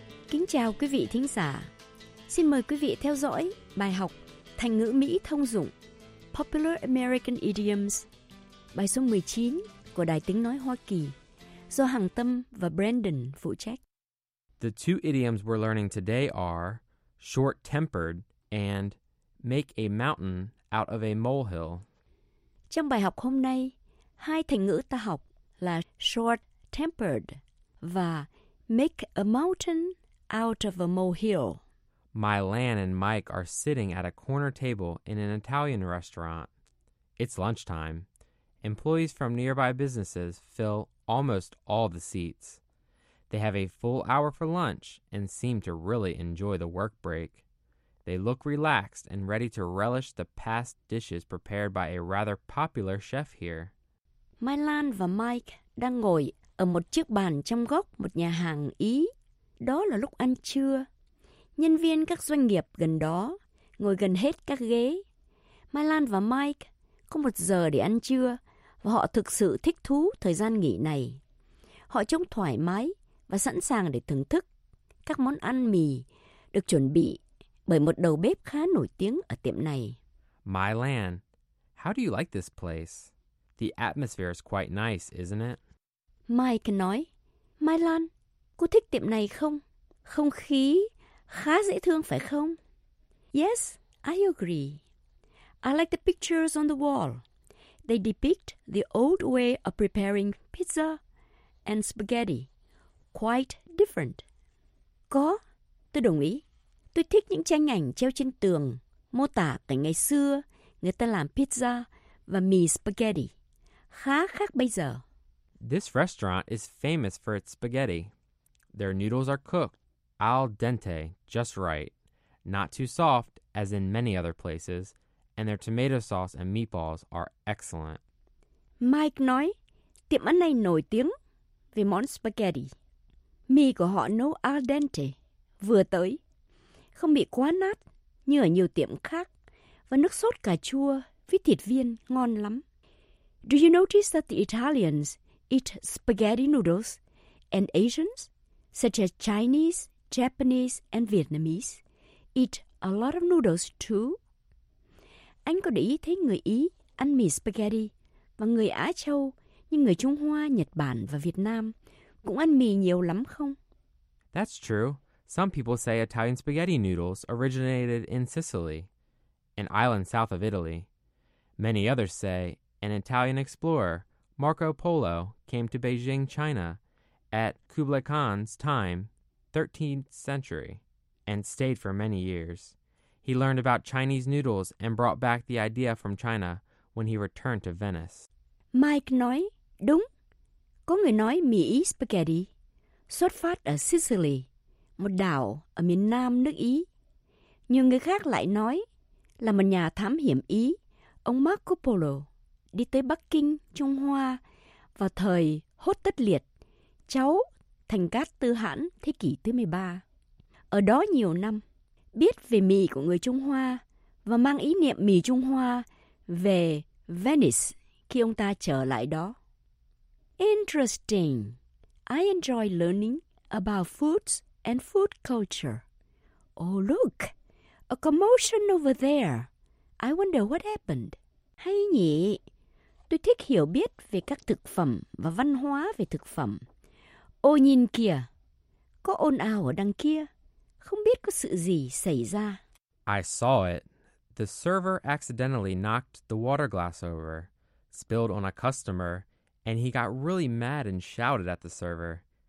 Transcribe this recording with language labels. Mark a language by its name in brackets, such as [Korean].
[Vietnamese] Kính chào quý vị thính giả. Xin mời quý vị theo dõi bài học Thành ngữ Mỹ thông dụng [English] Popular American Idioms, [Vietnamese] bài số 19 của Đài Tiếng Nói Hoa Kỳ, do Hằng Tâm và Brandon phụ trách. [English] The two idioms we're learning today are short-tempered and make a mountain out of a molehill. [Vietnamese] Trong bài học hôm nay, hai thành ngữ ta học là short-tempered và [English] make a mountain out of a molehill. Mylan and Mike are sitting at a corner table in an Italian restaurant. It's lunchtime. Employees from nearby businesses fill almost all the seats. They have a full hour for lunch and seem to really enjoy the work break. They look relaxed and ready to relish the past dishes prepared by a rather popular chef here. [Vietnamese] Mylan và Mike đang ngồi ở một chiếc bàn trong góc một nhà hàng Ý. Đó là lúc ăn trưa. Nhân viên các doanh nghiệp gần đó ngồi gần hết các ghế. Mai Lan và Mike có một giờ để ăn trưa và họ thực sự thích thú thời gian nghỉ này. Họ trông thoải mái và sẵn sàng để thưởng thức các món ăn mì được chuẩn bị bởi một đầu bếp khá nổi tiếng ở tiệm này. [English] My Lan, how do you like this place? The atmosphere is quite nice, isn't it? [Vietnamese] Mike nói, Mai Lan, cô thích tiệm này không? Không khí khá dễ thương phải không? [English] Yes, I agree. I like the pictures on the wall. They depict the old way of preparing pizza and spaghetti. Quite different. [Vietnamese] Có, tôi đồng ý. Tôi thích những tranh ảnh treo trên tường mô tả cảnh ngày xưa người ta làm pizza và mì spaghetti. Khá khác bây giờ. [English] This restaurant is famous for its spaghetti. Their noodles are cooked al dente, just right. Not too soft, as in many other places. And their tomato sauce and meatballs are excellent. [Vietnamese] Mike nói, tiệm ăn này nổi tiếng về món spaghetti. Mì của họ nấu al dente, vừa tới. Không bị quá nát như ở nhiều tiệm khác. Và nước sốt cà chua với thịt viên ngon lắm. [English] Do you notice that the Italians eat spaghetti noodles and Asians, such as Chinese, Japanese and Vietnamese, eat a lot of noodles too? [Vietnamese] Anh có để ý thấy người Ý ăn mì spaghetti và người Á Châu như người Trung Hoa, Nhật Bản và Việt Nam cũng ăn mì nhiều lắm không? [English] That's true. Some people say Italian spaghetti noodles originated in Sicily, an island south of Italy. Many others say an Italian explorer, Marco Polo, came to Beijing, China, at Kublai Khan's time, 13th century, and stayed for many years. He learned about Chinese noodles and brought back the idea from China when he returned to Venice. [Vietnamese] Mike nói, đúng, có người nói mì Ý spaghetti xuất phát ở Sicily, một đảo ở miền nam nước Ý. Nhưng người khác lại nói là một nhà thám hiểm Ý, ông Marco Polo, đi tới Bắc Kinh, Trung Hoa vào thời Hốt Tất Liệt, cháu Thành Cát Tư Hãn thế kỷ thứ 13. Ở đó nhiều năm, biết về mì của người Trung Hoa và mang ý niệm mì Trung Hoa về Venice khi ông ta trở lại đó. [English] Interesting. I enjoy learning about foods and food culture. Oh, look. A commotion over there. I wonder what happened. [Vietnamese] Hay nhỉ? Tôi thích hiểu biết về các thực phẩm và văn hóa về thực phẩm. Ô nhìn kìa. Có ồn ào ở đằng kia. Không biết có sự gì xảy ra. [English] I saw it. The server accidentally knocked the water glass over, spilled on a customer, and he got really mad and shouted at the server.